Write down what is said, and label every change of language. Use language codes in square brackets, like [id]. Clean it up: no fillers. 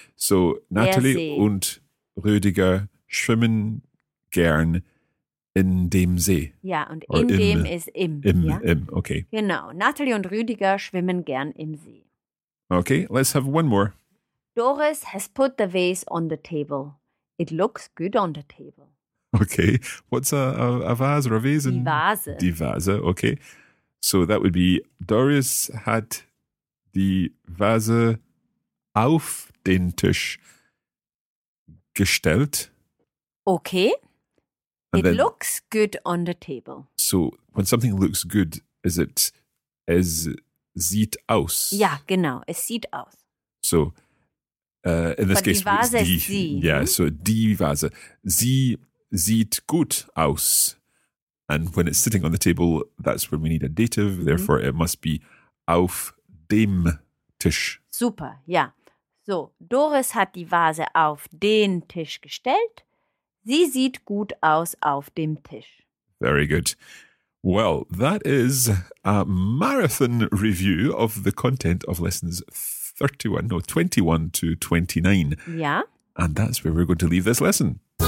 [de] So Natalie und Rüdiger schwimmen gern in dem See. Ja, und in dem ist im. Im, okay. Genau. Natalie und Rüdiger schwimmen gern im See. [en] Okay, let's have one more. Doris has put the vase on the table. It looks good on the table. Okay, what's a vase or a vase? [de] Die Vase. Die Vase, okay. [en] So that would be [de] Doris hat die Vase auf den Tisch gestellt. [en] Okay. And it then, looks good on the table. So when something looks good, is it, [de] es sieht aus? Ja, genau, es sieht aus. [en] So in this but case, [de] die Vase die, ist sie. [en] Yeah, so [de] die Vase. Sie sieht gut aus. [en] And when it's sitting on the table, that's when we need a dative. Therefore, it must be [de] auf dem Tisch. Super, ja. So, Doris hat die Vase auf den Tisch gestellt. Sie sieht gut aus auf dem Tisch. [en] Very good. Well, that is a marathon review of the content of lessons 21 to 29. Yeah. And that's where we're going to leave this lesson.